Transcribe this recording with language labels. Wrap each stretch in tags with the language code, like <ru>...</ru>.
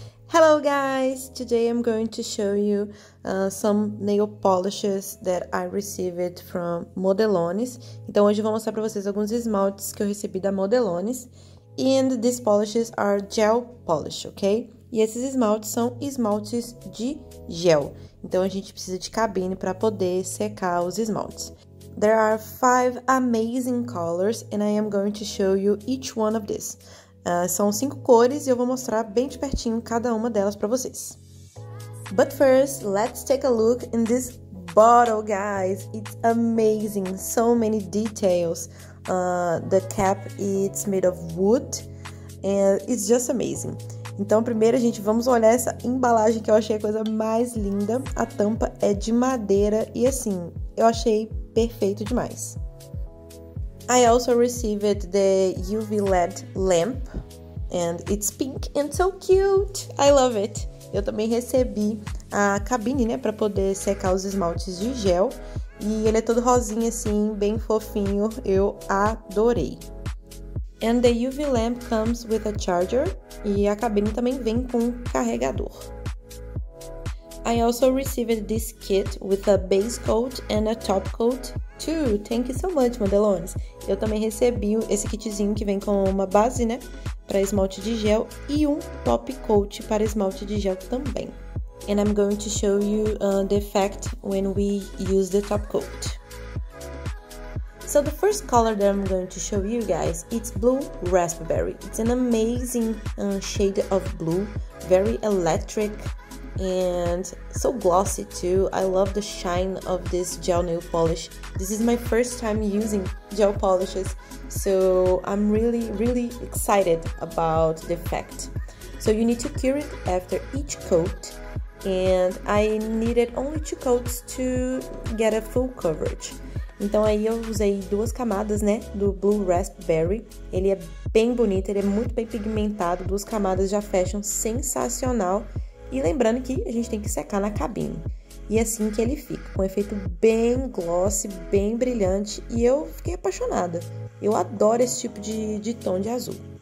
<en>Hello guys, today I'm going to show you some nail polishes that I received from Modelones.</en> <pt>Então hoje eu vou mostrar para vocês alguns esmaltes que eu recebi da Modelones.</pt> <en>And these polishes are gel polish, ok?</en> <pt>E esses esmaltes são esmaltes de gel. Então a gente precisa de cabine para poder secar os esmaltes.</pt> <en>There are 5 amazing colors and I am going to show you each one of these.</en> <pt>São 5 cores e eu vou mostrar bem de pertinho cada uma delas para vocês.</pt> <en>But first, let's take a look in this bottle, guys. It's amazing, so many details. The cap, it's made of wood and it's just amazing.</en> <pt>Então, primeiro a gente vamos olhar essa embalagem que eu achei a coisa mais linda. A tampa é de madeira e assim, eu achei perfeito demais.</pt> <en>I also received the UV LED lamp, and it's pink and so cute. I love it.</en> <pt>Eu também recebi a cabine, né, para poder secar os esmaltes de gel, e ele é todo rosinha assim, bem fofinho. Eu adorei.</pt> <en>And the UV lamp comes with a charger,</en> <pt>e a cabine também vem com um carregador.</pt> <en>I also received this kit with a base coat and a top coat too. Thank you so much, Modelones.</en> <pt>Eu também recebi esse kitzinho que vem com uma base, né, para esmalte de gel e um top coat para esmalte de gel também.</pt> <en>And I'm going to show you the effect when we use the top coat. So the first color that I'm going to show you guys, it's blue raspberry. It's an amazing shade of blue, very electric. And so glossy too. I love the shine of this gel nail polish. This is my first time using gel polishes, so I'm really, really excited about the effect. So you need to cure it after each coat, and I needed only 2 coats to get a full coverage.</en> <pt>Então aí eu usei 2 camadas, né, do Blue Raspberry. Ele é bem bonito, ele é muito bem pigmentado. 2 camadas já fecham sensacional. E lembrando que a gente tem que secar na cabine. E é assim que ele fica, com um efeito bem glossy, bem brilhante. E eu fiquei apaixonada. Eu adoro esse tipo de tom de azul.</pt>